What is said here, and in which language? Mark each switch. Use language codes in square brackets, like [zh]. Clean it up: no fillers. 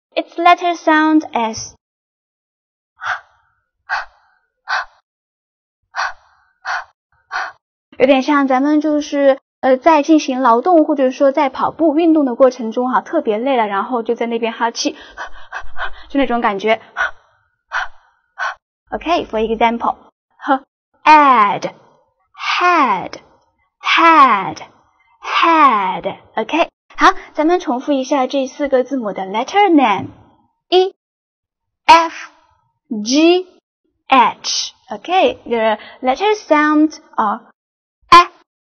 [en] Its letter sound is [zh] 有点像咱们就是在进行劳动或者说在跑步运动的过程中哈，特别累了，然后就在那边哈气，就那种感觉。 [en] OK, for example, head, head, head, head. [zh] OK, 好，咱们重复一下这四个字母的 letter name。 [en] E, F, G, H. OK, the letter sounds are A, F,